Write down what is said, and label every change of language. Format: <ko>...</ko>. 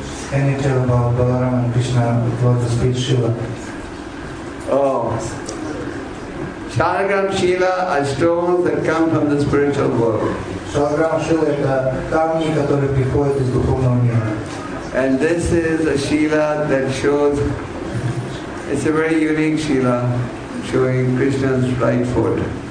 <en>Can you tell about Balarama and Krishna with Lotus Speed Shila? Oh. Shalagram Shila are stones that come from the spiritual world.</en> <ru>Shalagram Shila это камни, которые приходят из духовного мира.</ru> <en>And this is a Shila that shows, it's a very unique Shila, showing Krishna's right foot.</en>